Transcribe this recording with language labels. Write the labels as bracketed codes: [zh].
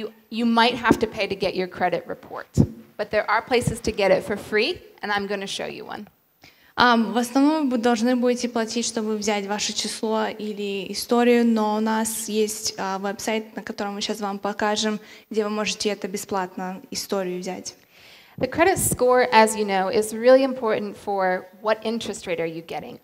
[en] You might have to pay to get your credit report, but there are places to get it for free, and I'm going to show you one. [ru] В основном вы должны будете платить, чтобы взять ваше число или историю, но у нас есть веб-сайт, на котором мы сейчас вам покажем, где вы можете это бесплатно историю взять. [en] The credit score, as you know, is really important for what interest rate are you getting.